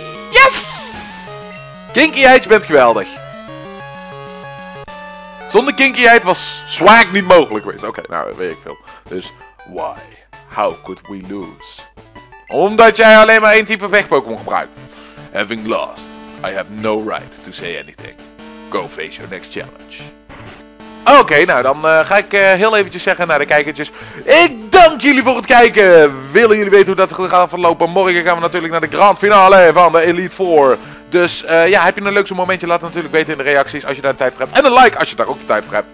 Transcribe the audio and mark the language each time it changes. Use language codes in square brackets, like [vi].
[nl] Yes! Kinkyheid, je bent geweldig. Zonder Kinkyheid was Swag niet mogelijk geweest. Oké, okay, nou, weet ik veel. Dus, why? [en] How could we lose? [nl] Omdat jij alleen maar één type vechtpokémon gebruikt. [en] Having lost, I have no right to say anything. Go face your next challenge. [nl] Oké, okay, nou dan ga ik heel eventjes zeggen naar de kijkertjes. Ik dank jullie voor het kijken. Willen jullie weten hoe dat gaat verlopen? Morgen gaan we natuurlijk naar de grand finale van de Elite Four. Dus ja, heb je een leuk zo'n momentje? Laat het natuurlijk weten in de reacties als je daar de tijd voor hebt. En een like als je daar ook de tijd voor hebt.